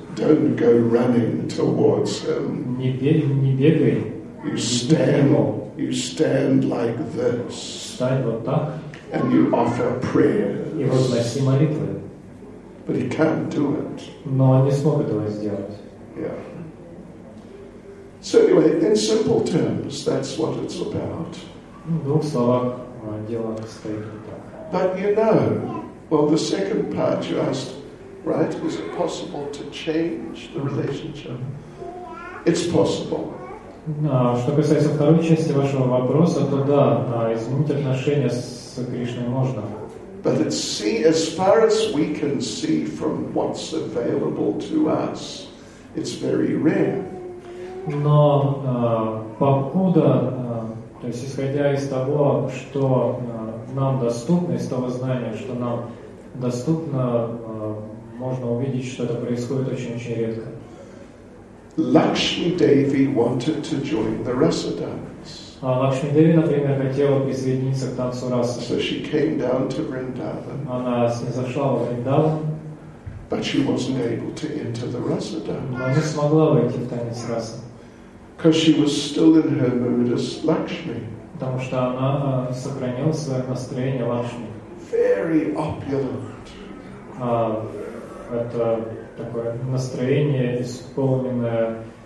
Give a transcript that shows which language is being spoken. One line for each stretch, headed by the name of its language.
English: Don't go running towards him.
Russian: Не бегай.
English: You stand like this.
Russian: Стань вот так.
English: And you offer prayers.
Russian: И возноси молитвы.
English: But he can't do it.
Russian: Но он не смог этого сделать.
English: Yeah. So anyway, in simple terms, that's what it's about.
Russian: Ну, в двух словах, дело стоит вот так.
English: But you know, well, the second part you asked, right? Is it possible to change the relationship? It's possible.
Russian: Что касается второй части вашего вопроса, то да, изменить отношения с Кришной можно.
English: But as far as we can see from what's available to us, it's very rare.
Russian: Но то есть исходя из того, что нам доступно, из того знания, что нам доступно, можно увидеть, что это происходит очень-очень редко.
English: Lakshmi Devi wanted to join the Rasa dance.
Russian: Лакшми Деви, например, хотела присоединиться к танцу Раса.
English: So she came down to Vrindavan.
Russian: Она снизошла в Вриндаван.
English: But she wasn't able to enter the Rasa dance.
Russian: Она не смогла войти в танец Раса.
English: Because she was still in her mood as Lakshmi.
Russian: Потому что она сохранила свое настроение Лакшми.
English: Very opulent.
Russian: Это такое настроение, исполненное